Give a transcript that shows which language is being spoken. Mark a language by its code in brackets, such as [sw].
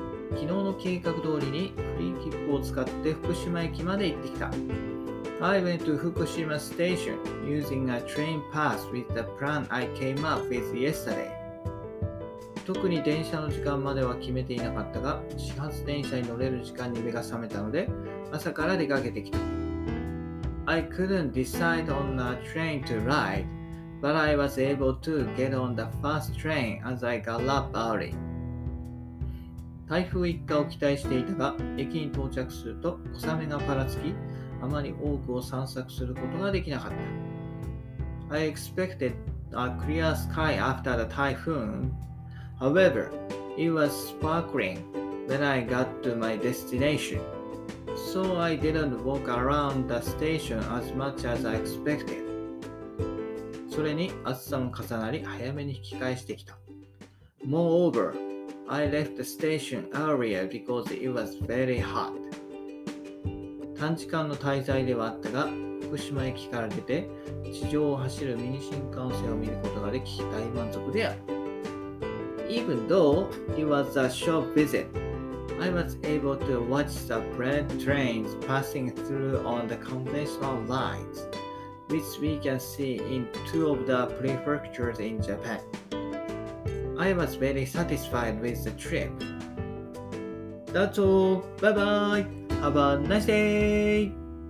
[ja] 昨日の計画通りにフリー切符を使って福島駅まで行ってきた。 [en] I went to Fukushima station using a train pass with the plan I came up with yesterday. [ja] 特に電車の時間までは決めていなかったが、始発電車に乗れる時間に目が覚めたので、朝から出かけてきた。 [en] I couldn't decide on a train to ride, but I was able to get on the first train as I got up early. [ja] 台風一過を期待していたが、駅に到着すると小雨がぱらつき、あまり多くを散策することができなかった。 [en] I expected a clear sky after the typhoon. However, it was sparkling when I got to my destination. So I didn't walk around the station as much as I expected. [ja] それに暑さも重なり早めに引き返してきた。 [en] Moreover, I left the station earlier because it was very hot. [ja] 短時間の滞在ではあったが、福島駅から出て地上を走るミニ新幹線を見ることができ大満足である。 [en] Even though it was a short visit, I was able to watch the freight trains passing through on the conventional lines, which we can see in two of the prefectures in Japan. I was very satisfied with the trip. That's all. Bye bye.Have a nice day!